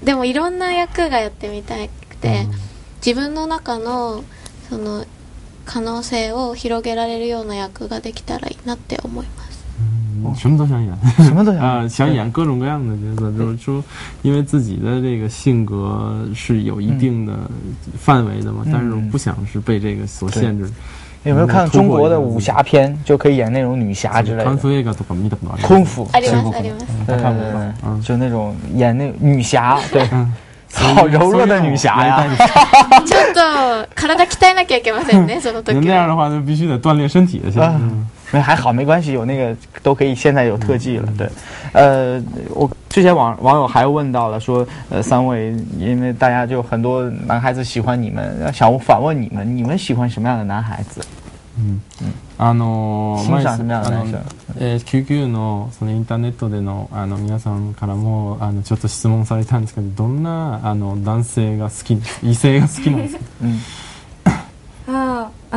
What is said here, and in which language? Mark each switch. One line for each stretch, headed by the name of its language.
Japanese: でもいろんな役がやってみたくて、自分の中のその可能性を広げられるような役ができたらいいなって思います。
Chinese: 什么都想演，什么都想啊、想演各种各样的角色，就是说，因为自己的这个性格是有一定的范围的嘛，但是不想是被这个所限制。有没有看中国的武侠片，就可以演那种女侠之类的？
Japanese: 康夫映画とか見たことある？空腹，あります、あります。
Chinese: 对对对，就那种演那女侠，对。好柔弱的女侠呀！
Japanese: ちょっと体鍛えなきゃいけませんね、その時。
Chinese: 那样的话，就必须得锻炼身体了，现在。没还好没关系，有那个都可以，现在有特技了。对，我之前网友还问到了说，三位因为大家就很多男孩子喜欢你们，想反问你们，你们喜欢什么样的男孩子？欣赏什么样的男生？
Japanese: QQ のそのインターネットでの皆さんからもちょっと質問されたんですけど、どんな男性が好き、異性が好きなんですか？